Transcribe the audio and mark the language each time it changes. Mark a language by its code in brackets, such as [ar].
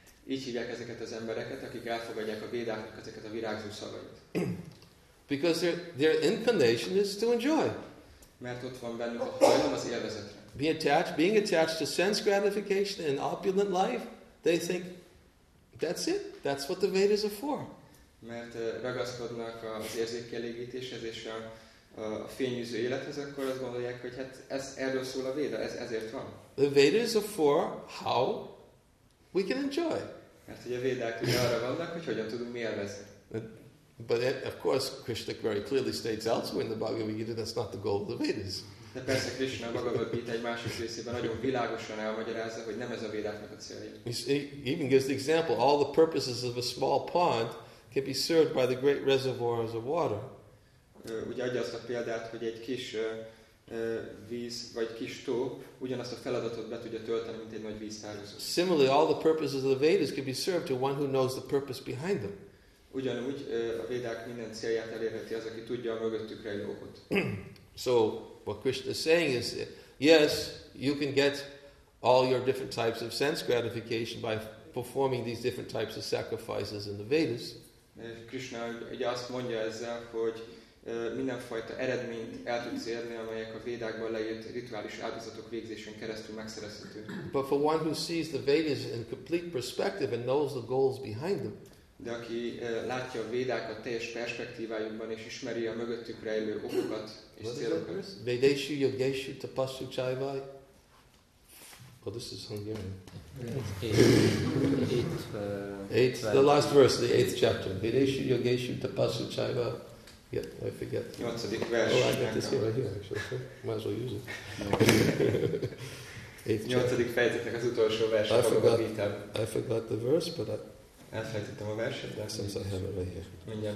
[hu] Így hívják ezeket az embereket, akik elfogadják a Védáknak ezeket a virágzó szavait. [en] Because their inclination is to enjoy. [hu] Mert ott van bennük a hajlam az élvezetre. [en] Being attached to sense gratification in opulent life, they think, that's it, that's what the Vedas are for. [hu] Mert ragaszkodnak az érzékkielégítéshez és a fényűző élethez, akkor azt gondolják, hogy hát ez erről szól a Véda, ez ezért van. [en] The Vedas are for how we can enjoy. [hu] Mert ugye a Védák ugye arra vannak, hogy hogyan tudunk mi élvezni. [en] But it, of course, Krishna very clearly states elsewhere in the Bhagavad Gita that's not the goal of the Vedas. [hu] De persze Krishna a Bhagavad Gita egy másik részében nagyon világosan elmagyarázza, hogy nem ez a Védáknak a célja. [en] He even gives the example, all the purposes of a small pond can be served by the great reservoirs of water. [hu] Ugye adja azt a példát, hogy egy kis víz vagy kis tó ugyanazt a feladatot be tudja tölteni, mint egy nagy víztározó. [en] Similarly, all the purposes of the Vedas can be served to one who knows the purpose behind them. [hu] Ugyanúgy a Védák minden célját elérheti az, aki tudja a mögöttük rejlő okot. [en] So what Krishna is saying is, yes, you can get all your different types of sense gratification by performing these different types of sacrifices in the Vedas. [hu] Krishna ugye azt mondja ezzel, hogy mindenfajta eredményt el tudsz érni, amelyek a Védákban leírt rituális áldozatok végzésén keresztül megszerezhető. [en] But for one who sees the Vedas in complete perspective and knows the goals behind them, [hu] de aki látja a Védákat teljes perspektívájukban és ismeri a mögöttük rejlő okokat és célokat. [sa] Vedeshu yogeshu tapasu chaivai. [en] Oh, this is Hungarian. Eight. The last verse, the eighth chapter. [sa] Vedeshu yogeshu tapasu chaivai. [en] Yeah, I forget. [hu] Vers. [en] Oh, I got this here right here, actually. Might as well use it. [hu] Nyolcadik fejezetnek az utolsó verse. [en] I forgot the verse, but I... [hu] Elfelejtettem a verset, de azt hiszem, hogy mindjárt